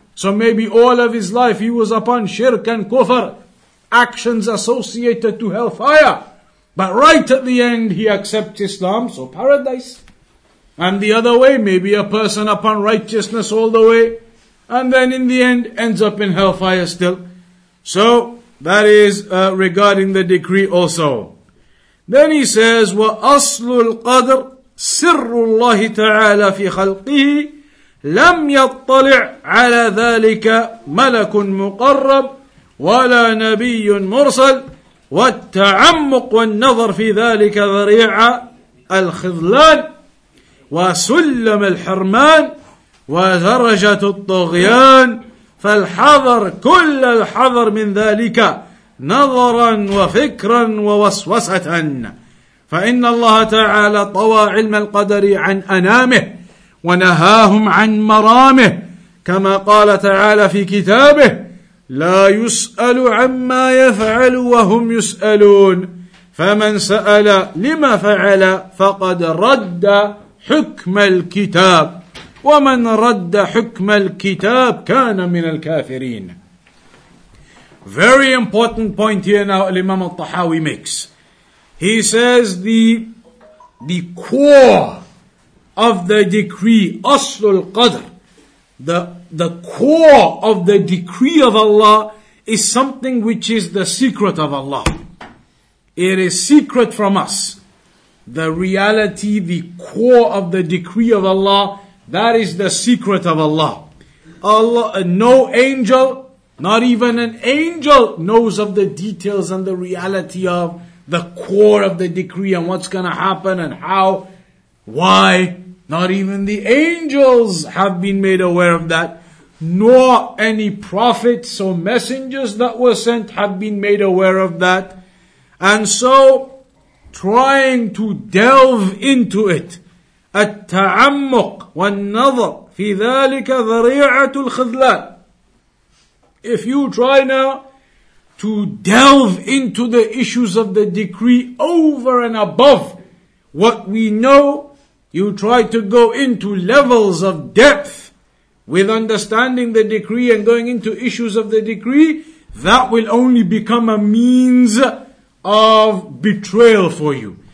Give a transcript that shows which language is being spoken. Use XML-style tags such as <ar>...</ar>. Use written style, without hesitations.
<en>So maybe all of his life he was upon shirk and kufr, actions associated to hellfire. But right at the end he accepts Islam, so paradise. And the other way, maybe a person upon righteousness all the way, and then in the end ends up in hellfire still. So that is regarding the decree also. Then he says,</en> <ar>وَأَصْلُ الْقَدْرِ سِرُّ اللَّهِ تَعَالَى فِي خَلْقِهِ لَمْ يَطَّلِعْ عَلَى ذَلِكَ مَلَكٌ مُقَرَّبٌ وَلَا نَبِيٌّ مُرْسَلٌ وَالتَّعَمُّقُ وَالنَّظَرُ فِي ذَلِكَ ذَرِيعَ الْخِذْلَانِ وَسُلَّمَ الْحِرْمَانِ وَدَرَجَةُ الطُّغْيَانِ فَالْحَذَرُ كُلَّ الْحَذَرِ مِنْ ذَلِكَ نظرا وفكرا ووسوسة فإن الله تعالى طوى علم القدر عن أنامه ونهاهم عن مرامه كما قال تعالى في كتابه لا يسأل عما يفعل وهم يسألون فمن سأل لما فعل فقد رد حكم الكتاب ومن رد حكم الكتاب كان من الكافرين.</ar> <en>Very important point here now Imam al-Tahawi makes. He says the core of the decree, aslul qadr, the core of the decree of Allah is something which is the secret of Allah. It is secret from us. The reality, the core of the decree of Allah, that is the secret of Allah. Allah, no angel, not even an angel, knows of the details and the reality of the core of the decree and what's going to happen and how, why. Not even the angels have been made aware of that. Nor any prophets or messengers that were sent have been made aware of that. And so, trying to delve into it,</en> <ar>التعمق والنظر في ذلك ذريعة الخذلان.</ar> <en>If you try now to delve into the issues of the decree over and above what we know, you try to go into levels of depth with understanding the decree and going into issues of the decree, that will only become a means of betrayal for you.</en>